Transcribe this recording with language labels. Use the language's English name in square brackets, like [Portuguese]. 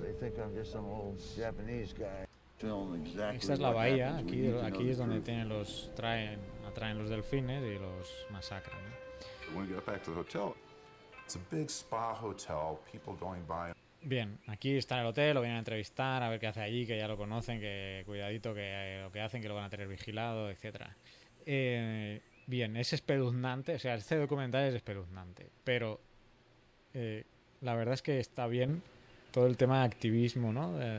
[English] They think I'm just some old Japanese guy. [Spanish] Esta es la bahía. Aquí es donde atraen los delfines y los masacran. [English] When we get back to the hotel, it's a big spa hotel, people going by. [Spanish] Bien, aquí está el hotel, lo vienen a entrevistar, a ver qué hace allí, que ya lo conocen, que cuidadito que lo que hacen, que lo van a tener vigilado, etcétera. Bien, es espeluznante, o sea, este documental es espeluznante, pero la verdad es que está bien todo el tema de activismo, ¿no?